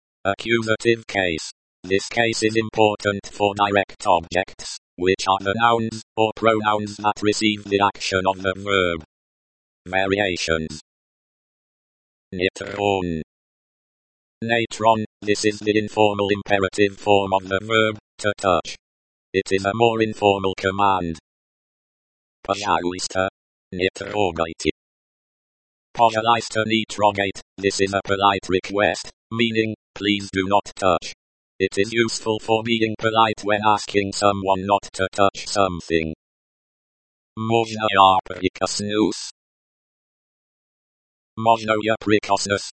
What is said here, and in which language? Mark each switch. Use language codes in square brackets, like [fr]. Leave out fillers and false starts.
[en] Accusative case. This case is important for direct objects, which are the nouns or pronouns that receive the action of the verb. Variations. Neutron. Neutron. This is the informal imperative form of the verb to touch. It is a more informal command. [ru] Пожалуйста, не трогайте. Пожалуйста, не трогайте. [en] This is a polite request, meaning, please do not touch. It is useful for being polite when asking someone not to touch something. [ru] Можно я прикоснусь? Можно я прикоснусь?